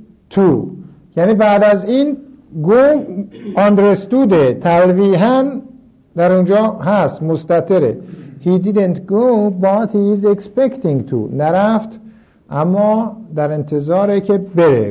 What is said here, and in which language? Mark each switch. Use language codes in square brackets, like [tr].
[fa] تو یعنی بعد از این گو understood تلویحا در اونجا هست مستتره. [en] He didn't go but he is expecting to. [fa] نرفت اما در انتظاره که بره.